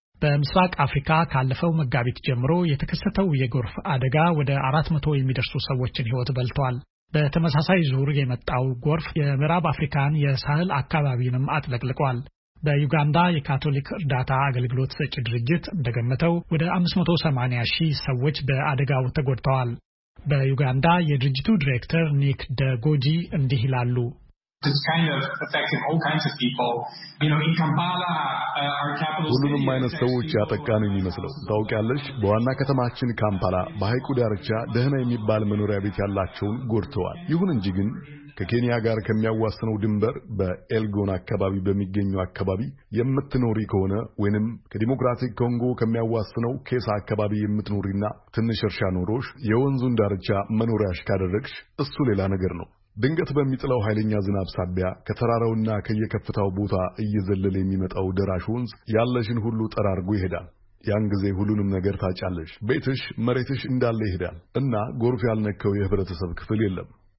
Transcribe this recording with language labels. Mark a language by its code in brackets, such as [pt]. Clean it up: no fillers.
[am] በምስራቅ አፍሪካ ካለፈው መጋቢት ጀምሮ የተከሰተው የጎርፍ አደጋ ወደ 400 የሚደርሱ ሰዎችን ህይወት በልቷል። በተመሳሳይ ዙር የመጣው ጎርፍ የምዕራብ አፍሪካን የሳህል አካባቢንም አጥለቅልቋል። በዩጋንዳ የካቶሊክ ዳታ አገልግሎት ሰጪ ድርጅት እንደገመተው ወደ 580,000 ሰዎች በአደጋው ተጎድተዋል። በዩጋንዳ የድርጅቱ ዳይሬክተር ኒክ ደጎጂ እንዲህ ይላሉ። [en] This kind of affected all kinds of people. You know, in Kampala, our capital city. [am] ሁሉንም አይነት ሰዎች ያጠቃነ የሚመስለው ታውቂያለሽ፣ በዋና ከተማችን ካምፓላ በሃይቁ ዳርቻ ደህና የሚባል መኖሪያ ቤት ያላቸውን ጎድተዋል። ይሁን እንጂ ግን ከኬንያ ጋር ከሚያዋስነው ድንበር በኤልጎን አካባቢ በሚገኙ አካባቢ የምትኖሪ ከሆነ ወይንም ከዲሞክራቲክ ኮንጎ ከሚያዋስነው ኬሳ አካባቢ የምትኖሪና ትንሽ እርሻ ኖሮሽ የወንዙን ዳርቻ መኖሪያሽ ካደረግሽ እሱ ሌላ ነገር ነው። ድንገት በሚጥለው ኃይለኛ ዝናብ ሳቢያ ከተራራውና ከየከፍታው ቦታ እየዘለለ የሚመጣው ደራሽ ወንዝ ያለሽን ሁሉ ጠራርጎ ይሄዳል። ያን ጊዜ ሁሉንም ነገር ታጫለሽ። ቤትሽ መሬትሽ እንዳለ ይሄዳል እና ጎርፍ ያልነከው የህብረተሰብ ክፍል የለም።